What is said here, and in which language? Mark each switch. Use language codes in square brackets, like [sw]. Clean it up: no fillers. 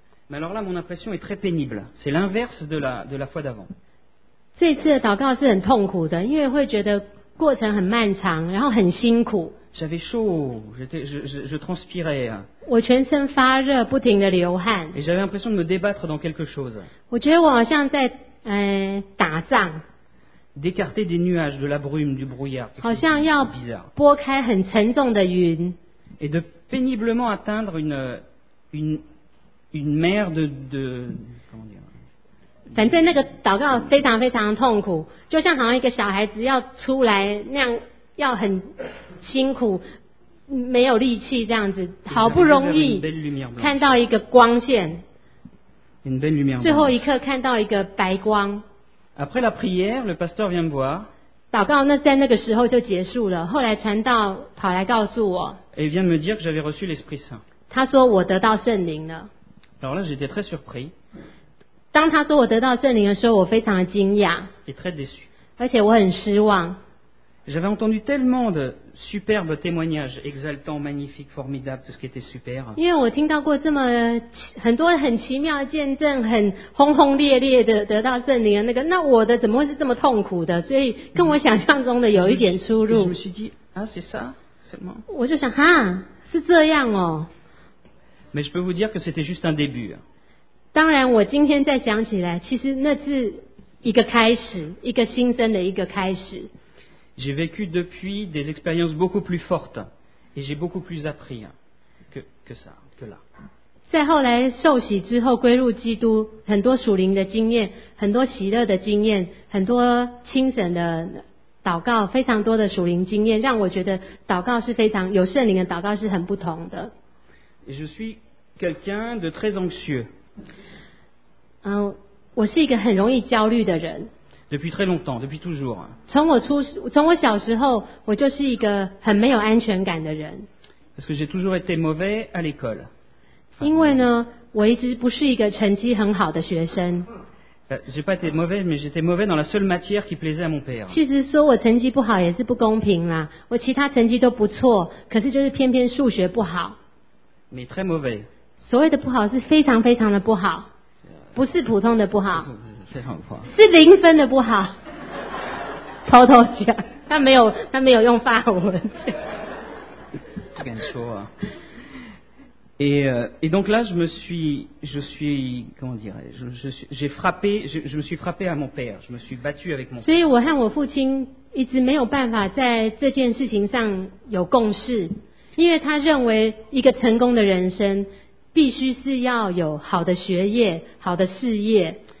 [fr] Mais alors là, mon impression est très pénible. C'est l'inverse de la foi d'avant. [zh] 这次的祷告是很痛苦的，因为会觉得过程很漫长，然后很辛苦。 [fr] Ça fait chaud, je transpirais. [zh] 我全身发热，不停的流汗。 [fr] Et j'avais l'impression de me débattre dans quelque chose. [zh] 我觉得我好像在打仗。 [fr] D'écarter des nuages, de la brume, du brouillard. [zh] 好像要拨开很沉重的云。 [fr] Et de péniblement atteindre une mer de comment dire? [zh] 反正那个祷告非常非常痛苦，就像好像一个小孩子要出来那样，要很辛苦，没有力气这样子，好不容易看到一个光线，最后一刻看到一个白光。 [fr] Après la prière, le pasteur vient me voir. [zh] 祷告那在那个时候就结束了，后来传道跑来告诉我。 [fr] Et vient me dire que j'avais reçu l'Esprit Saint. [zh] 他说我得到圣灵了。 [fr] Alors là, j'étais très surpris. [zh] 当他说我得到圣灵的时候，我非常的惊讶，而且我很失望。 [fr] J'avais entendu tellement de superbes témoignages, exaltants, magnifiques, formidables, tout ce qui était super. [zh] 因为我听到过这么很多很奇妙的见证，很轰轰烈烈的得到圣灵的那个，那我的怎么会是这么痛苦的？所以跟我想象中的有一点出入。 [fr] Je me suis dit, ah, c'est ça, c'est moi. [zh] 我就想，哈，是这样哦。 [fr] Mais je peux vous dire que c'était juste un début. [zh] 当然我今天再想起来，其实那是一个开始，一个新生的一个开始。 [fr] J'ai vécu depuis des expériences beaucoup plus fortes et j'ai beaucoup plus appris que ça, que là. [zh] 在后来受洗之后归入基督，很多属灵的经验，很多喜乐的经验，很多清晨的祷告，非常多的属灵经验，让我觉得祷告是非常有圣灵的祷告是很不同的。 [fr] Je suis quelqu'un de très anxieux. [zh] 我是一个很容易焦虑的人。 [fr] Depuis très longtemps, depuis toujours. [zh] 从我小时候，我就是一个很没有安全感的人。 [fr] Parce que j'ai toujours été mauvais à l'école. [zh] 因为呢，我一直不是一个成绩很好的学生。 [fr] J'ai pas été mauvais, mais j'étais mauvais dans la seule matière qui plaisait à mon père. [zh] 其实说我成绩不好也是不公平啦。我其他成绩都不错，可是就是偏偏数学不好。 [fr] Mais très mauvais. [zh] 所谓的不好是非常非常的不好，不是普通的不好，是零分的不好。偷偷讲，他没有用法文。不敢说啊。 [fr] Et donc là, je suis, comment dirais-je, je me suis frappé à mon père, je me suis battu avec mon père. [zh] 所以我和我父亲一直没有办法在这件事情上有共识，因为他认为一个成功的人生。必须是要有好的学业，好的事业。